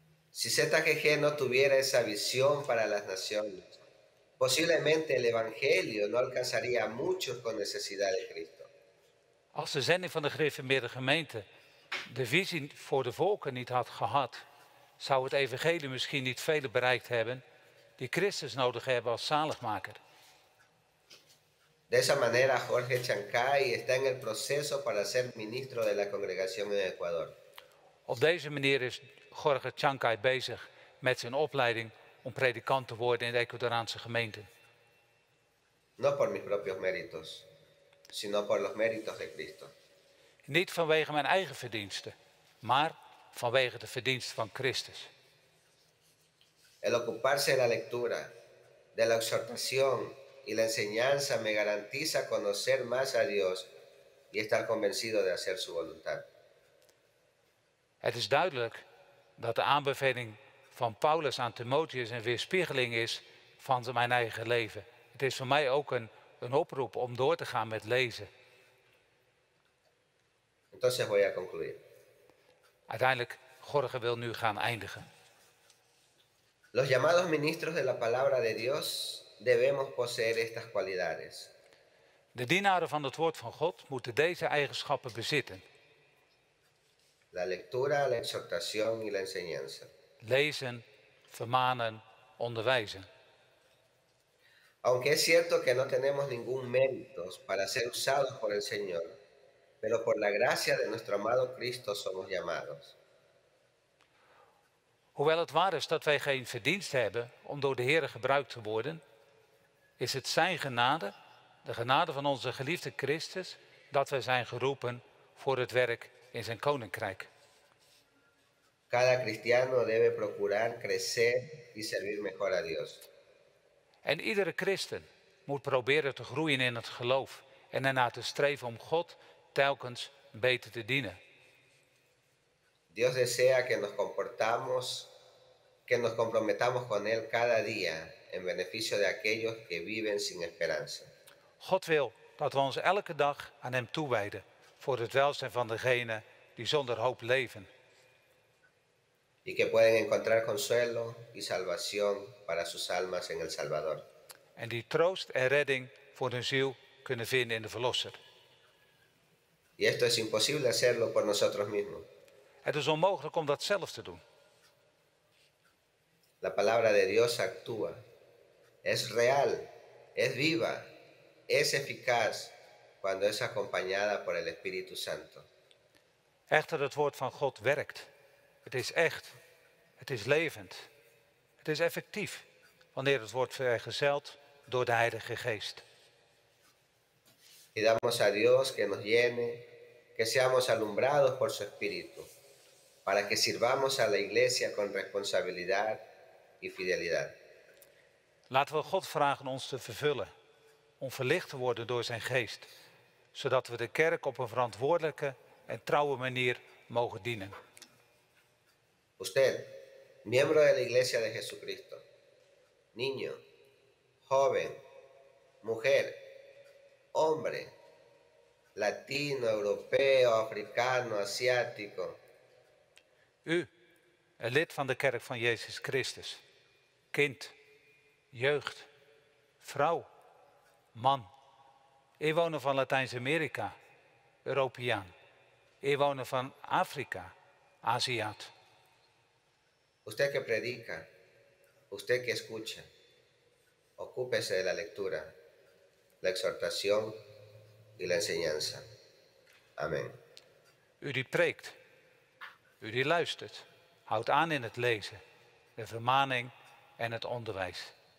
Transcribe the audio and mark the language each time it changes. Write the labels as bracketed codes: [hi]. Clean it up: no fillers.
[es] Si ZGG no tuviera esa visión para las naciones, posiblemente el evangelio no alcanzaría a muchos con necesidad de Cristo. [nl] Als de zending van de gereformeerde gemeente de visie voor de volken niet had gehad, zou het evangelie misschien niet velen bereikt hebben die Christus nodig hebben als zaligmaker. [es] De esa manera Jorge Chancay está en el proceso para ser ministro de la congregación en Ecuador. [nl] Op deze manier is Jorge Chancay bezig met zijn opleiding om predikant te worden in de Ecuadoraanse gemeente. [es] No por mis propios méritos, sino por los méritos de Cristo. [nl] Niet vanwege mijn eigen verdiensten, maar vanwege de verdiensten van Christus. [es] El ocuparse de la lectura, de la exhortación y la enseñanza me garantiza conocer más a Dios y estar convencido de hacer su voluntad. [nl] Het is duidelijk dat de aanbeveling van Paulus aan Timotheus een weerspiegeling is van mijn eigen leven. Het is voor mij ook een oproep om door te gaan met lezen. [es] Entonces voy a concluir. [nl] Uiteindelijk, Jorge wil nu gaan eindigen. [es] Los llamados ministros de la palabra de Dios debemos poseer estas cualidades. [nl] De dienaren van het woord van God moeten deze eigenschappen bezitten. [es] La lectura, la exhortación y la enseñanza. [nl] Lezen, vermanen, onderwijzen. [es] Aunque es cierto que no tenemos ningún mérito para ser usados por el Señor, pero por la gracia de nuestro amado Cristo somos llamados. [nl] Hoewel het waar is dat wij geen verdienst hebben om door de Heer gebruikt te worden, is het zijn genade, de genade van onze geliefde Christus, dat wij zijn geroepen voor het werk in zijn koninkrijk. [es] Cada cristiano debe procurar crecer y servir mejor a Dios. [nl] En iedere christen moet proberen te groeien in het geloof en daarna te streven om God telkens beter te dienen. [es] Dios desea que nos comportamos, que nos comprometamos con él cada día en beneficio de aquellos que viven sin esperanza. [nl] God wil dat we ons elke dag aan hem toewijden voor het welzijn van degenen die zonder hoop leven. [es] Y que pueden encontrar consuelo y salvación para sus almas en el Salvador. [nl] En die troost en redding voor hun ziel kunnen vinden in de Verlosser. [es] Y esto es imposible hacerlo por nosotros mismos. [nl] Het is onmogelijk om dat zelf te doen. [es] La palabra de Dios actúa. Es real, es viva, es eficaz cuando es acompañada por el Espíritu Santo. [nl] Echter, het woord van God werkt. Het is echt. Het is levend. Het is effectief wanneer het wordt vergezeld door de Heilige Geest. [es] Y damos a Dios que nos llene, que seamos alumbrados por su Espíritu, para que sirvamos a la iglesia con responsabilidad y fidelidad. [nl] Laten we God vragen ons te vervullen, om verlicht te worden door zijn geest, zodat we de kerk op een verantwoordelijke en trouwe manier mogen dienen. [es] Usted, miembro de la Iglesia de Jesucristo, niño, joven, mujer, hombre, latino, europeo, africano, asiático. [nl] U, een lid van de kerk van Jezus Christus, kind, jeugd, vrouw, man, inwoner van Latijns-Amerika, Europeaan, inwoner van Afrika, Aziat. [es] Usted que predica, usted que escucha, ocúpese de la lectura, la exhortación y la enseñanza. Amén. [nl] U die preekt, u die luistert, houdt aan in het lezen, de vermaning en het onderwijs.